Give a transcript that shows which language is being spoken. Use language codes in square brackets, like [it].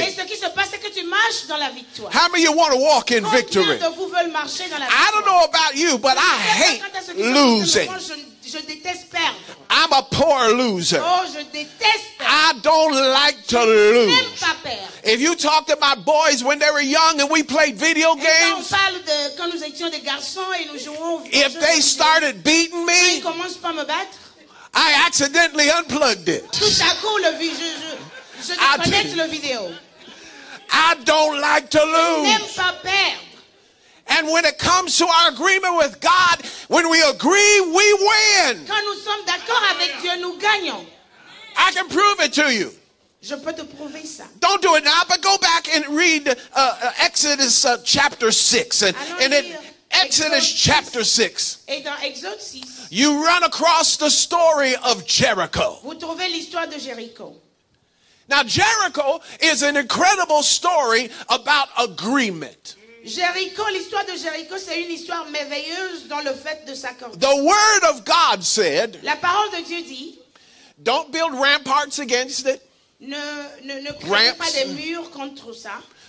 [fr] Et ce qui se passe, c'est que tu marches dans la victoire. [en] How many of you want to walk in victory? [fr] Combien de vous veulent marcher dans la victoire? [en] I don't know about you, but I hate losing. [fr] Je déteste perdre. [en] I'm a poor loser. [fr] Oh, je déteste perdre. [en] I don't like to lose. [fr] Je n'aime pas perdre. [en] If you talk to my boys when they were young and we played video games, [fr] et quand on parle de, quand nous étions des garçons et nous jouons aux jeux, [en] if they started beating me, [fr] ils commencent pas à me battre, [en] I accidentally unplugged it. [fr] Tout à coup, je déconnecte le vidéo. [en] I don't like to lose. [fr] Je n'aime pas perdre. [en] And when it comes to our agreement with God, when we agree, we win. [fr] Quand nous sommes d'accord avec Dieu, nous gagnons. [en] I can prove it to you. [fr] Je peux te prouver ça. [en] Don't do it now, but go back and read Exodus chapter 6. Exodus chapter 6. [fr] Et dans Exode 6. [en] You run across the story of Jericho. [fr] Vous trouvez l'histoire de Jéricho. [en] Now Jericho is an incredible story about agreement. [fr] Jéricho, l'histoire de Jéricho, c'est une histoire merveilleuse dans le fait de s'accorder. [en] The word of God said. [fr] La parole de Dieu dit. [en] Don't build ramparts against it. [fr] Ne créez pas des murs contre ça.